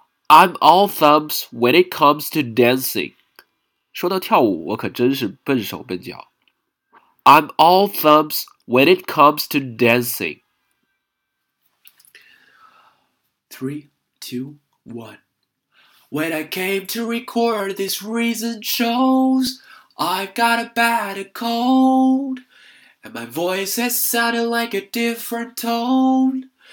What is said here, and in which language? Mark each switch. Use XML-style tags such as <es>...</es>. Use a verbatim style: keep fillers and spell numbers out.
<en>I'm all thumbs when it comes to dancing.</en> <zh>说到跳舞，我可真是笨手笨脚。</zh> <en>I'm all thumbs when it comes to dancing. Three, two, one. When I came to record this reason shows I've got a bad cold and my voice has sounded like a different tone</en>